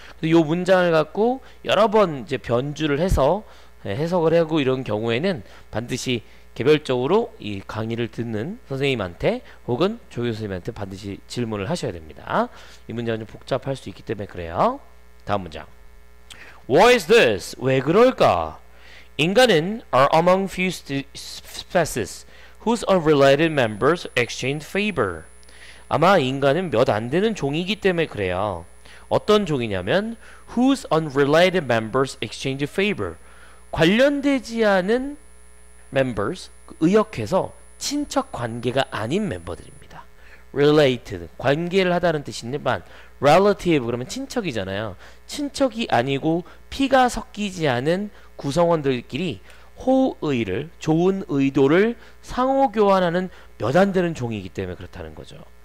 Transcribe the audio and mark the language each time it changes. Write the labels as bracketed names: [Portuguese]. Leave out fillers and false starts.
[Korean] 근데 요 문장을 갖고 여러 번 이제 변주를 해서 해석을 하고 이런 경우에는 반드시 개별적으로 이 강의를 듣는 선생님한테 혹은 조 교수님한테 반드시 질문을 하셔야 됩니다. 이 문장은 좀 복잡할 수 있기 때문에 그래요. 다음 문장. [English] Why is this? [Korean] 왜 그럴까? 인간은 [English] are among few species whose unrelated members exchange favor. [Korean] 아마 인간은 몇 안 되는 종이기 때문에 그래요. 어떤 종이냐면 [English] whose unrelated members exchange favor. [Korean] 관련되지 않은 members, 의역해서 친척 관계가 아닌 멤버들입니다. related, 관계를 하다는 뜻이지만 relative, 그러면 친척이잖아요. 친척이 아니고 피가 섞이지 않은 구성원들끼리 호의를, 좋은 의도를 상호 교환하는 몇 안 되는 종이기 때문에 그렇다는 거죠.